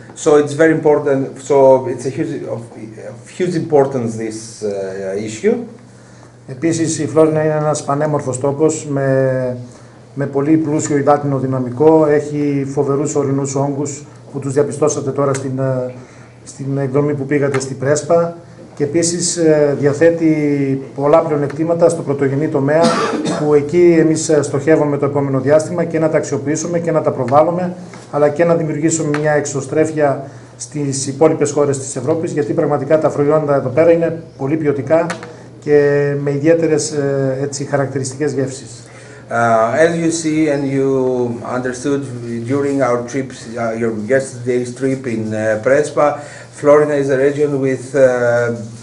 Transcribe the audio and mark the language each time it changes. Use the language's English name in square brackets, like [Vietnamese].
[English] So it's very important. So it's a huge, of huge importance, this issue. [Greek] Επίσης, η Φλόρινα είναι ένας πανέμορφος τόπος με πολύ πλούσιο υδάτινο δυναμικό. Έχει φοβερούς ορεινούς όγκους που τους διαπιστώσατε τώρα στην εκδρομή που πήγατε στη Πρέσπα. Και επίσης διαθέτει πολλά πλεονεκτήματα στο πρωτογενή τομέα, που εκεί εμείς στοχεύουμε το επόμενο διάστημα και να τα αξιοποιήσουμε και να τα προβάλλουμε, αλλά και να δημιουργήσουμε μια εξωστρέφεια στις υπόλοιπες χώρες της Ευρώπης, γιατί πραγματικά τα προϊόντα εδώ πέρα είναι πολύ ποιοτικά και με ιδιαίτερες έτσι χαρακτηριστικές γεύσεις. [English] As you see and you understood during our trips, your yesterday's trip in Prespa, Florina is a region with a